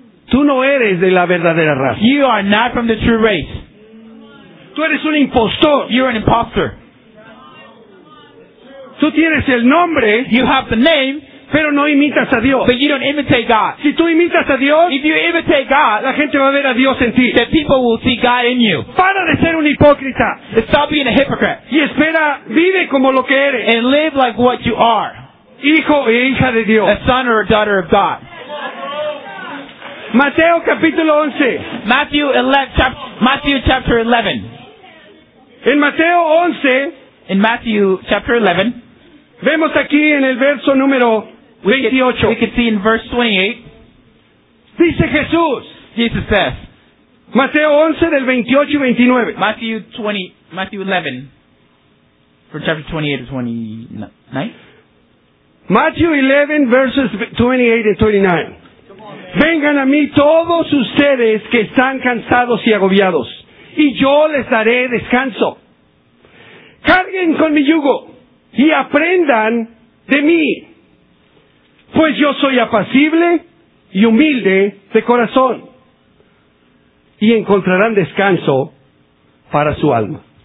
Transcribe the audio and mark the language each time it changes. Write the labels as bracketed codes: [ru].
[es] Tú no eres de la verdadera raza. [en] You are not from the true race. [es] Tú eres un impostor. [en] You're an imposter. [es] Tú tienes el nombre. [en] You have the name. [es] Pero no imitas a Dios. [en] But you don't imitate God. [es] Si tú imitas a Dios. [en] If you imitate God. [es] La gente va a ver a Dios en ti. [en] The people will see God in you. [es] Para de ser un hipócrita. [en] Stop being a hypocrite. [es] Y espera, vive como lo que eres. [en] And live like what you are. [es] Hijo e hija de Dios. [en] A son or a daughter of God. [es] Mateo capítulo 11. [en] Matthew chapter 11. [es] En Mateo 11, [en] in Matthew chapter 11, [es] vemos aquí en el verso número 28. [en] We can see in verse 28. [es] Dice Jesús. [en] Jesus says. [es] Mateo 11 del 28 y 29. [en] Matthew 11, from chapter 28 to 29. Matthew 11 verses 28 and 29. [es] Vengan a mí todos ustedes que están cansados y agobiados, y yo les daré descanso. Carguen con mi yugo y aprendan de mí, pues yo soy apacible y humilde de corazón, y encontrarán descanso para su alma.